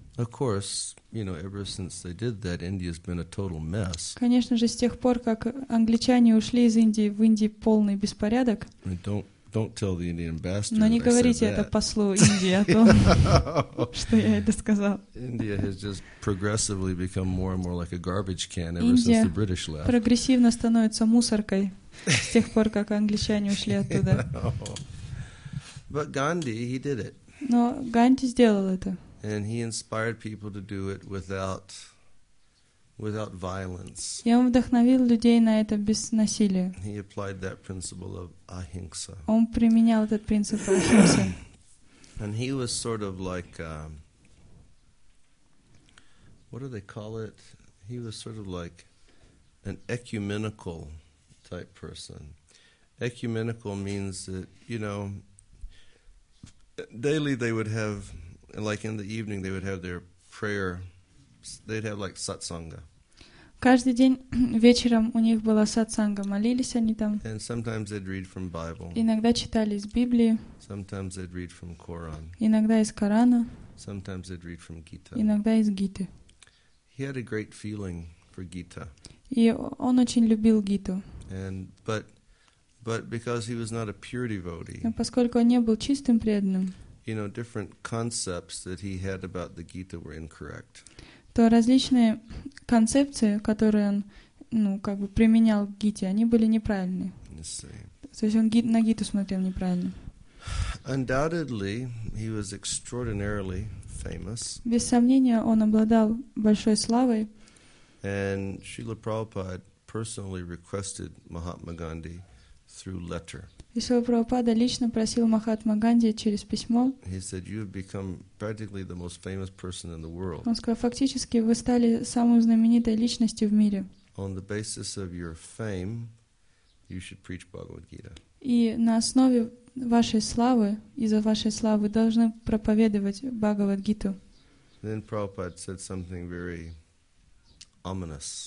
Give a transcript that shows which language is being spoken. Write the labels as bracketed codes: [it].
[en] Of course, you know, ever since they did that, India's been a total mess. [ru] Конечно же, с тех пор, как англичане ушли из Индии, в Индии полный беспорядок. [en] Don't tell the Indian ambassador. [ru] Но не говорите это послу Индии о том, что я это сказал. [en] India has just progressively become more and more like a garbage can ever since the British left. [ru] Прогрессивно становится мусоркой с тех пор, как англичане ушли оттуда. [en] But Gandhi, he did it. [ru] Но Ганди сделал это. [en] And he inspired people to do it without violence. [ru] И он вдохновил людей на это без насилия. [en] He applied that principle of ahimsa. [ru] Он применял этот принцип ахимсы. [en] And he was sort of like what do they call it He was sort of like an ecumenical type person. Ecumenical means that, you know, daily they would have, like in the evening, they would have their prayer. They'd have like satsanga. [ru] Каждый день вечером у них была сатсанга, молились они там. [en] And sometimes they'd read from Bible. [ru] Иногда читали из Библии. [en] Sometimes they'd read from Quran. [ru] Иногда из Корана. [en] Sometimes they'd read from Gita. [ru] Иногда из Гиты. [en] He had a great feeling for Gita. [ru] И он очень любил Гиту. [en] And but because he was not a pure devotee. [ru] Но поскольку он не был чистым преданным. [en] You know, different concepts that he had about the Gita were incorrect. [ru] То различные концепции, которые он, ну, как бы применял к Гите, они были неправильны. То есть он на Гиту смотрел неправильно. [en] Undoubtedly, he was extraordinarily famous. [ru] Без сомнения, он обладал большой славой. [en] And Srila Prabhupada personally requested Mahatma Gandhi through letter. [ru] И Шрила Прабхупада лично просил Махатма Ганди через письмо. [en] He said, "You have become practically the most famous person in the world." [ru] Он сказал, фактически вы стали самой знаменитой личностью в мире. [en] On the basis of your fame, you should preach Bhagavad Gita. [ru] И на основе вашей славы, из-за вашей славы, должны проповедовать Бхагавад Гиту. [en] Then Prabhupada said something very ominous.